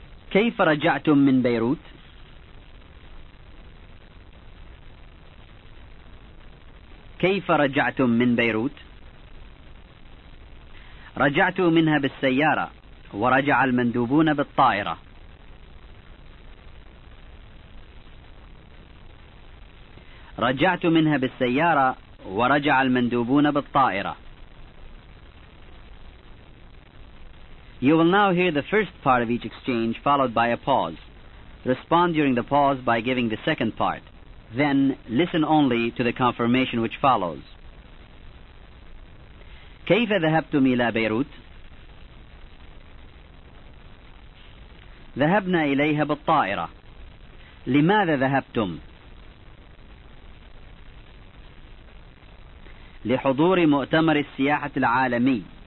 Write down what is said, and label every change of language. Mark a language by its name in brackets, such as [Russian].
[Arabic] كيف رجعتم من بيروت؟ كيف رجعتم من بيروت؟ رجعت منها بالسيارة، ورجع المندوبون بالطائرة. رجعت منها بالسيارة ورجع المندوبون بالطائرة. [English] You will now hear the first part of each exchange followed by a pause. Respond during the pause by giving the second part. Then listen only to the confirmation which follows. [Arabic] كيف ذهبتم إلى بيروت؟ ذهبنا إليها بالطائرة. لماذا ذهبتم؟ لحضور مؤتمر السياحة العالمي.